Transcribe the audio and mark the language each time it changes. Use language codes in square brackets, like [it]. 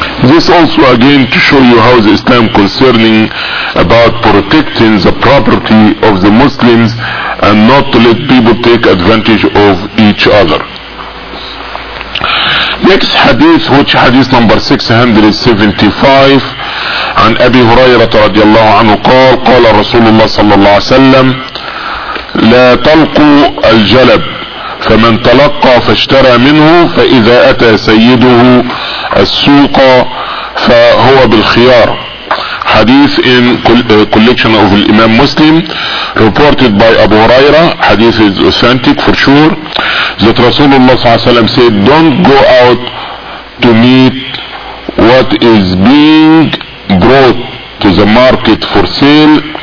[en] This also again to show you how the Islam concerning about protecting the property of the Muslims and not to let people take advantage of each other. Next hadith, which hadith number 675, [ar] عن أبي هريرة رضي الله عنه قال قال رسول الله صلى الله عليه وسلم لا تلقوا الجلب فمن تلقى فاشترى منه فإذا أتى سيده السوق فهو بالخيار. [en] Hadith in collection of Imam Muslim, reported by Abu Huraira. Hadith is authentic for sure. That Rasulullah said, don't go out to meet what is being brought to the market for sale.